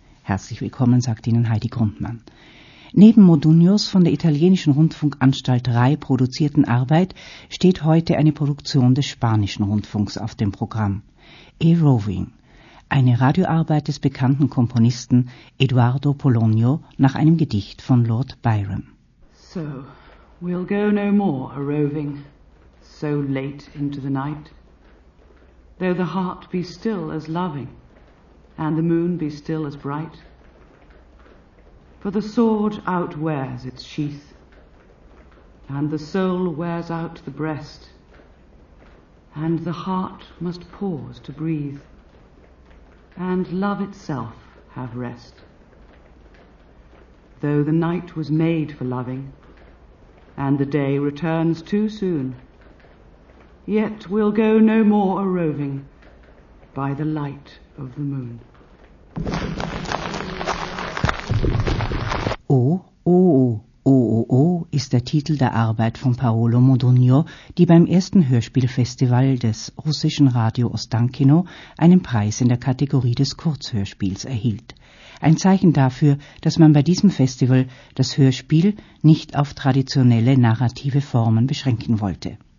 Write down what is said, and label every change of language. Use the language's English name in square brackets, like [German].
[German] Herzlich willkommen, sagt Ihnen Heidi Grundmann. Neben Modugnos von der italienischen Rundfunkanstalt RAI produzierten Arbeit steht heute eine Produktion des spanischen Rundfunks auf dem Programm. E-Roving, eine Radioarbeit des bekannten Komponisten Eduardo Polonio nach einem Gedicht von Lord Byron. [English] So, we'll go no more a-roving, so late into the night. Though the heart be still as loving, and the moon be still as bright. For the sword outwears its sheath, and the soul wears out the breast, and the heart must pause to breathe, and love itself have rest. Though the night was made for loving, and the day returns too soon, yet we'll go no more a-roving by the light of the moon. [German] O ist der Titel der Arbeit von Paolo Modugno, die beim ersten Hörspielfestival des russischen Radio Ostankino einen Preis in der Kategorie des Kurzhörspiels erhielt. Ein Zeichen dafür, dass man bei diesem Festival das Hörspiel nicht auf traditionelle narrative Formen beschränken wollte.